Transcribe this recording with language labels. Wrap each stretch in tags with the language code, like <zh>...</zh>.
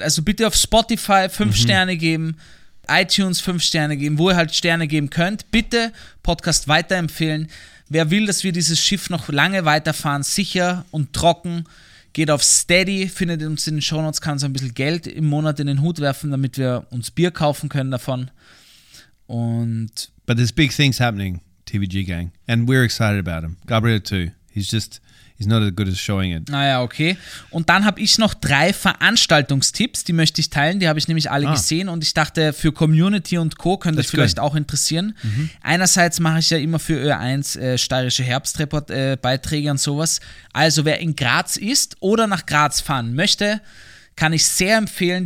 <de>Also bitte auf Spotify 5 mhm. Sterne geben, iTunes 5 Sterne geben, wo ihr halt Sterne geben könnt. Bitte Podcast weiterempfehlen. Wer will, dass wir dieses Schiff noch lange weiterfahren, sicher und trocken, geht auf Steady, findet uns in den Shownotes, kann so ein bisschen Geld im Monat in den Hut werfen, damit wir uns Bier kaufen können davon. Und</de> <en>but there's big things happening, TVG Gang. And we're excited about him. Gabriel too. He's not as good as showing it.</en> <de>Naja, okay. Und dann habe ich noch 3 Veranstaltungstipps, die möchte ich teilen. Die habe ich nämlich alle gesehen und ich dachte, für Community und Co. könnte das vielleicht auch interessieren. Mhm. Einerseits mache ich ja immer für Ö1 steirische Herbstreport-Beiträge und sowas. Also wer in Graz ist oder nach Graz fahren möchte, kann ich sehr empfehlen.</de>